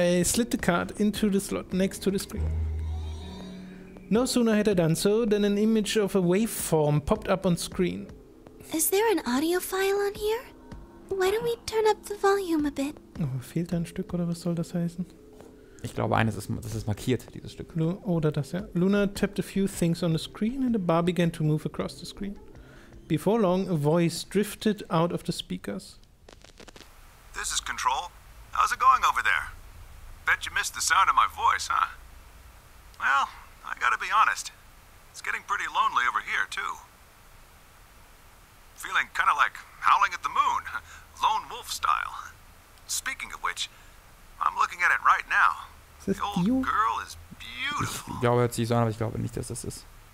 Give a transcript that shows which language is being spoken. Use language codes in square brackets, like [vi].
[en] I slid the card into the slot next to the screen. No sooner had I done so than an image of a waveform popped up on screen. Is there an audio file on here? Why don't we turn up the volume a bit? [de] Oh, fehlt da ein Stück oder was soll das heißen? Ich glaube, eines ist, das ist markiert, dieses Stück. Oder das, ja. [en] Luna tapped a few things on the screen and the bar began to move across the screen. Before long, a voice drifted out of the speakers. This is Control. How's it going over there? Bet you missed the sound of my voice, huh? Well, I gotta be honest. It's getting pretty lonely over here, too. Feeling kind of like howling at the moon, lone wolf style. Speaking of which, I'm looking at it right now. The old girl is beautiful. [de] Ich glaube, hört sich so an, aber ich glaube nicht, dass das ist.